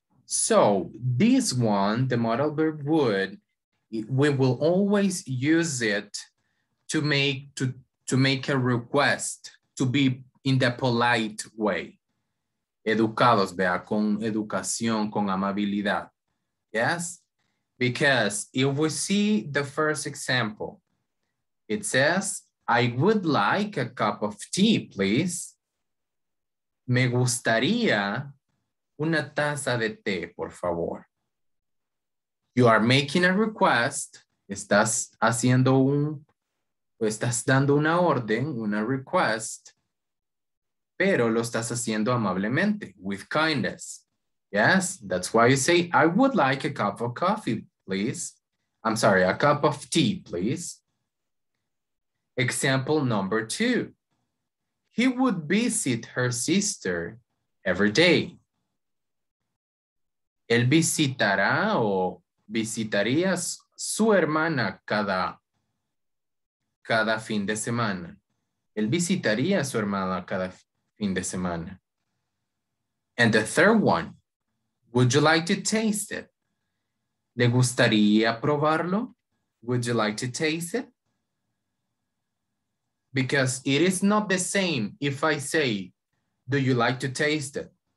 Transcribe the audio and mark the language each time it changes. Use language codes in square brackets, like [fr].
[en] So this one, the modal verb would, we will always use it to make a request, to be in the polite way. [es] Educados, vea, con educación, con amabilidad. Yes? [en] Because if we see the first example, it says, I would like a cup of tea, please. [es] Me gustaría una taza de té, por favor. [en] You are making a request. [es] Estás haciendo estás dando una orden, una request. Pero lo estás haciendo amablemente, [en] with kindness. Yes, that's why you say, I would like a cup of coffee, please. I'm sorry, a cup of tea, please. Example number two. He would visit her sister every day. [es] Él visitará o visitaría su hermana cada fin de semana. Él visitaría su hermana cada fin de semana. [en] And the third one, would you like to taste it? [es] ¿Le gustaría probarlo? [en] Would you like to taste it? because it is not the same if I say, do you like to taste it?